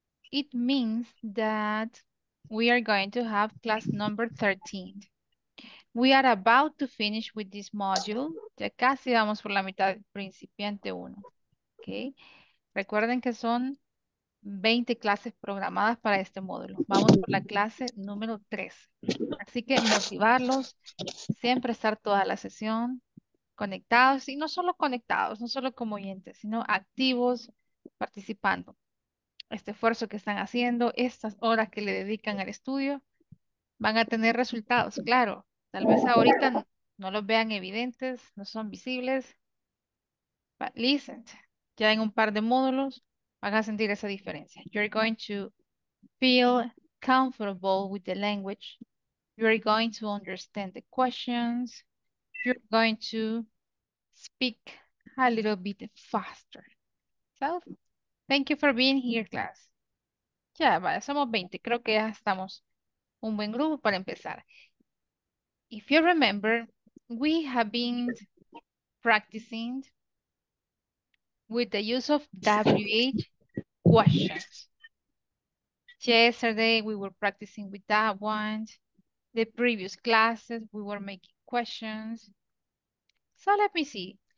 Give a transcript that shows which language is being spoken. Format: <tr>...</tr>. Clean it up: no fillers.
<en>It means that we are going to have class number 13. We are about to finish with this module.</en> <es>Ya casi vamos por la mitad, principiante 1. Okay. Recuerden que son 20 clases programadas para este módulo. Vamos por la clase número 13. Así que motivarlos, siempre estar toda la sesión conectados y no solo conectados, no solo como oyentes, sino activos, participando. Este esfuerzo que están haciendo, estas horas que le dedican al estudio, van a tener resultados, claro. Tal vez ahorita no los vean evidentes, no son visibles.</es> <en>But listen,</en> <es>ya en un par de módulos van a sentir esa diferencia.</es> <en>You're going to feel comfortable with the language. You're going to understand the questions. You're going to speak a little bit faster. So, thank you for being here, class.</en> <es>Ya, vale, somos 20. Creo que ya estamos un buen grupo para empezar.</es> <en>If you remember, we have been practicing with the use of WH questions. Yesterday we were practicing with that one. The previous classes we were making questions. So let me see.</en>